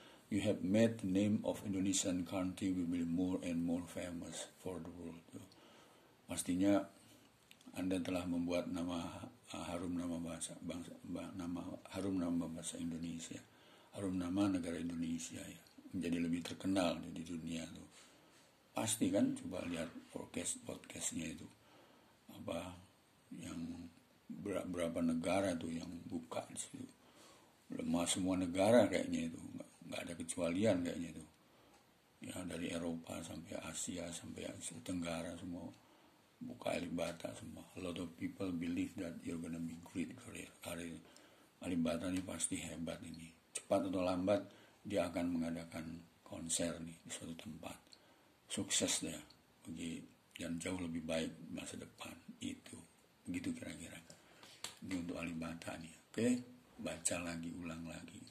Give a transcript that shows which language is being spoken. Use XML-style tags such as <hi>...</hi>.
<en>you have made the name of Indonesian country will be more and more famous for the world.</en> <id>Pastinya Anda telah membuat nama harum nama bahasa bangsa, nama harum nama bahasa Indonesia, harum nama negara Indonesia ya, menjadi lebih terkenal di dunia itu. Pasti kan, coba lihat podcast-podcastnya itu, apa yang berapa negara tuh yang buka di situ. Lemah semua negara kayaknya itu, nggak ada kecualian kayaknya itu. Ya dari Eropa sampai Asia sampai Asia Tenggara semua buka Alibata semua.</id> <en>A lot of people believe that you're gonna be great career.</en> <id>Alibata ini pasti hebat ini. Cepat atau lambat dia akan mengadakan konser nih di suatu tempat. Sukses deh, bagi yang jauh lebih baik masa depan itu. Begitu kira-kira. Ini untuk Alibata nih. Oke, baca lagi, ulang lagi.</id>